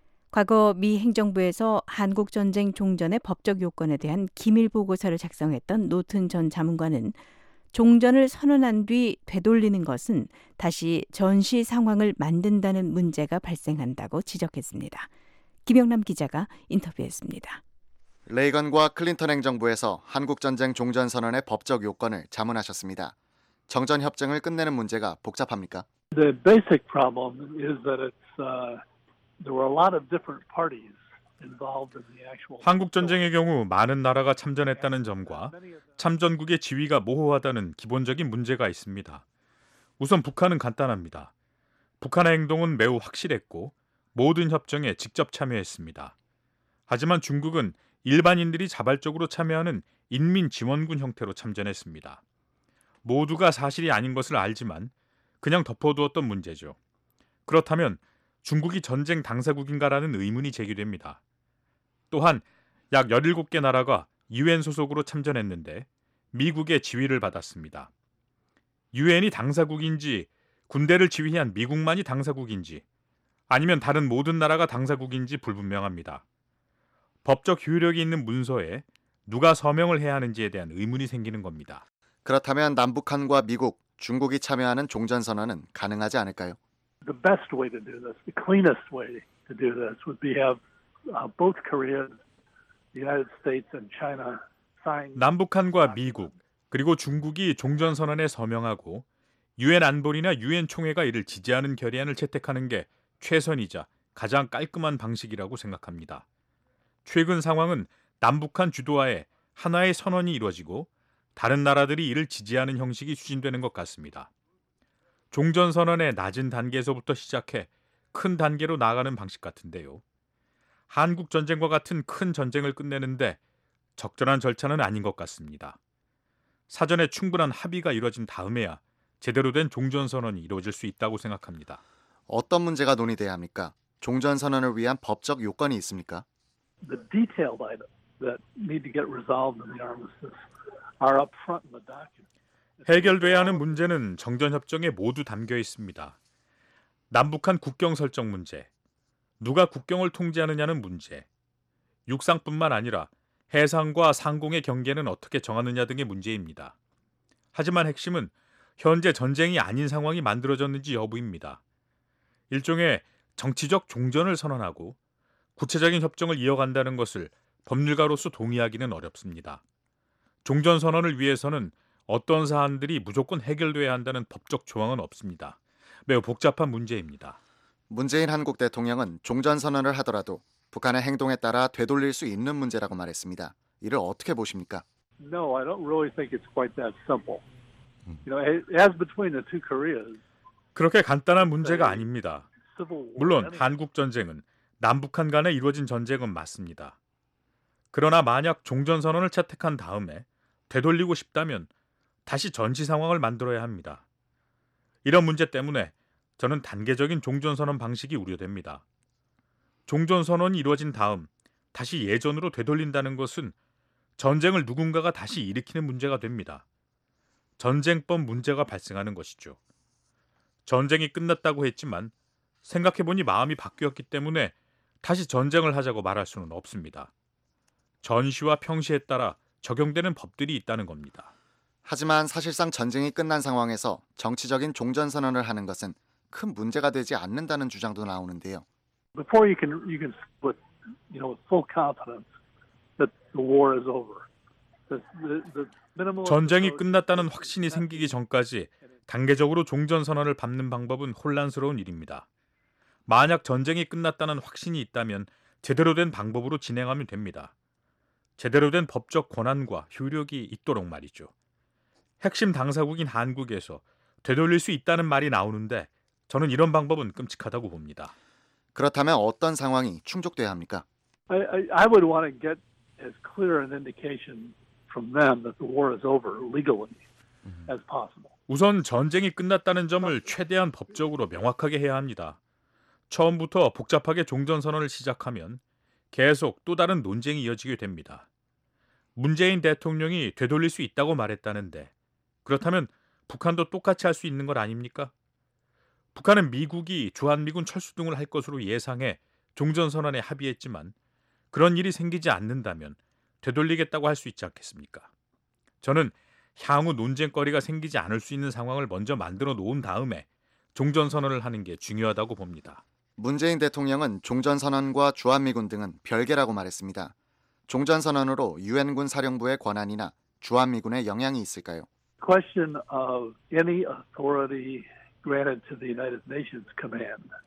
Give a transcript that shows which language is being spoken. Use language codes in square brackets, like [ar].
[ko] 과거 미 행정부에서 한국전쟁 종전의 법적 요건에 대한 기밀보고서를 작성했던 노튼 전 자문관은 종전을 선언한 뒤 되돌리는 것은 다시 전시 상황을 만든다는 문제가 발생한다고 지적했습니다. 김영남 기자가 인터뷰했습니다. 레이건과 클린턴 행정부에서 한국전쟁 종전 선언의 법적 요건을 자문하셨습니다. 정전 협정을 끝내는 문제가 복잡합니까? [en] The basic problem is that it's there were a lot of different parties. [ko] 한국전쟁의 경우 많은 나라가 참전했다는 점과 참전국의 지위가 모호하다는 기본적인 문제가 있습니다. 우선 북한은 간단합니다. 북한의 행동은 매우 확실했고 모든 협정에 직접 참여했습니다. 하지만 중국은 일반인들이 자발적으로 참여하는 인민지원군 형태로 참전했습니다. 모두가 사실이 아닌 것을 알지만 그냥 덮어두었던 문제죠. 그렇다면 중국이 전쟁 당사국인가라는 의문이 제기됩니다. 또한 약 17개 나라가 유엔 소속으로 참전했는데 미국의 지휘를 받았습니다. 유엔이 당사국인지 군대를 지휘한 미국만이 당사국인지 아니면 다른 모든 나라가 당사국인지 불분명합니다. 법적 효력이 있는 문서에 누가 서명을 해야 하는지에 대한 의문이 생기는 겁니다. 그렇다면 남북한과 미국, 중국이 참여하는 종전선언은 가능하지 않을까요? [en] The best way to do this, the cleanest way to do this would be have both Korea, the United States and China sign. [ko] 남북한과 미국 그리고 중국이 종전 선언에 서명하고 유엔 안보리나 유엔 총회가 이를 지지하는 결의안을 채택하는 게 최선이자 가장 깔끔한 방식이라고 생각합니다. 최근 상황은 남북한 주도하에 하나의 선언이 이루어지고 다른 나라들이 이를 지지하는 형식이 추진되는 것 같습니다. 종전선언의 낮은 단계에서부터 시작해 큰 단계로 나아가는 방식 같은데요. 한국전쟁과 같은 큰 전쟁을 끝내는데 적절한 절차는 아닌 것 같습니다. 사전에 충분한 합의가 이루어진 다음에야 제대로 된 종전선언이 이루어질 수 있다고 생각합니다. 어떤 문제가 논의돼야 합니까? 종전선언을 위한 법적 요건이 있습니까? [en] The detailed items that need to get resolved in the armistice are up front in the document. [ko] 해결돼야 하는 문제는 정전협정에 모두 담겨 있습니다. 남북한 국경 설정 문제, 누가 국경을 통제하느냐는 문제, 육상뿐만 아니라 해상과 상공의 경계는 어떻게 정하느냐 등의 문제입니다. 하지만 핵심은 현재 전쟁이 아닌 상황이 만들어졌는지 여부입니다. 일종의 정치적 종전을 선언하고 구체적인 협정을 이어간다는 것을 법률가로서 동의하기는 어렵습니다. 종전 선언을 위해서는 어떤 사안들이 무조건 해결돼야 한다는 법적 조항은 없습니다. 매우 복잡한 문제입니다. 문재인 한국 대통령은 종전선언을 하더라도 북한의 행동에 따라 되돌릴 수 있는 문제라고 말했습니다. 이를 어떻게 보십니까? [en] No, I don't really think it's quite that simple. You know, as between the two Koreas. [ko] 그렇게 간단한 문제가 아닙니다. 물론 한국 전쟁은 남북한 간에 이루어진 전쟁은 맞습니다. 그러나 만약 종전선언을 채택한 다음에 되돌리고 싶다면 다시 전시 상황을 만들어야 합니다. 이런 문제 때문에 저는 단계적인 종전선언 방식이 우려됩니다. 종전선언이 이루어진 다음 다시 예전으로 되돌린다는 것은 전쟁을 누군가가 다시 일으키는 문제가 됩니다. 전쟁법 문제가 발생하는 것이죠. 전쟁이 끝났다고 했지만 생각해보니 마음이 바뀌었기 때문에 다시 전쟁을 하자고 말할 수는 없습니다. 전시와 평시에 따라 적용되는 법들이 있다는 겁니다. 하지만 사실상 전쟁이 끝난 상황에서 정치적인 종전선언을 하는 것은 큰 문제가 되지 않는다는 주장도 나오는데요. [en] Before you can with you know full confidence that the war is over. The minimal [ko] 전쟁이 끝났다는 확신이 생기기 전까지 단계적으로 종전선언을 밟는 방법은 혼란스러운 일입니다. 만약 전쟁이 끝났다는 확신이 있다면 제대로 된 방법으로 진행하면 됩니다. 제대로 된 법적 권한과 효력이 있도록 말이죠. 핵심 당사국인 한국에서 되돌릴 수 있다는 말이 나오는데 저는 이런 방법은 끔찍하다고 봅니다. 그렇다면 어떤 상황이 충족돼야 합니까? [en] I would want to get as clear an indication from them that the war is over legally as possible. [ko] 우선 전쟁이 끝났다는 점을 최대한 법적으로 명확하게 해야 합니다. 처음부터 복잡하게 종전선언을 시작하면 계속 또 다른 논쟁이 이어지게 됩니다. 문재인 대통령이 되돌릴 수 있다고 말했다는데 그렇다면 북한도 똑같이 할 수 있는 것 아닙니까? 북한은 미국이 주한미군 철수 등을 할 것으로 예상해 종전선언에 합의했지만 그런 일이 생기지 않는다면 되돌리겠다고 할 수 있지 않겠습니까? 저는 향후 논쟁거리가 생기지 않을 수 있는 상황을 먼저 만들어 놓은 다음에 종전선언을 하는 게 중요하다고 봅니다. 문재인 대통령은 종전선언과 주한미군 등은 별개라고 말했습니다. 종전선언으로 유엔군 사령부의 권한이나 주한미군의 영향이 있을까요? [en] The question of any authority granted to the United Nations command.